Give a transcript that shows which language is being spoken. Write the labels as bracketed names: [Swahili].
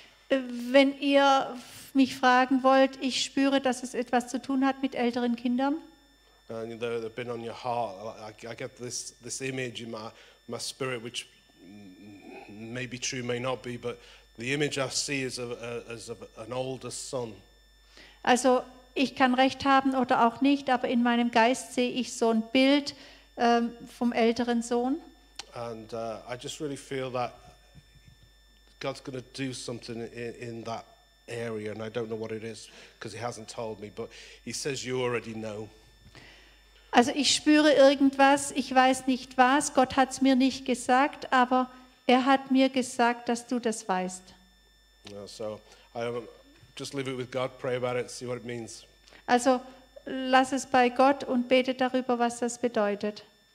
[German] Wenn ihr mich fragen wollt, ich spüre, dass es etwas zu tun hat mit älteren Kindern. [English] They've been on your heart. I get this image in my spirit, which may be true, may not be, but the image I see is of an older son. [German] Also, ich kann recht haben oder auch nicht, aber in meinem Geist sehe ich so ein Bild vom älteren Sohn. [English] And I just really feel that God's going to do something in that area, and I don't know what it is because he hasn't told me, but he says you already know. [German] Also ich spüre irgendwas, ich weiß nicht was, Gott hat es mir nicht gesagt, aber er hat mir gesagt, dass du das weißt. [English] So, I just leave it with God, pray about it, see what it means. [German] Also lass es bei Gott und bete darüber, was das bedeutet.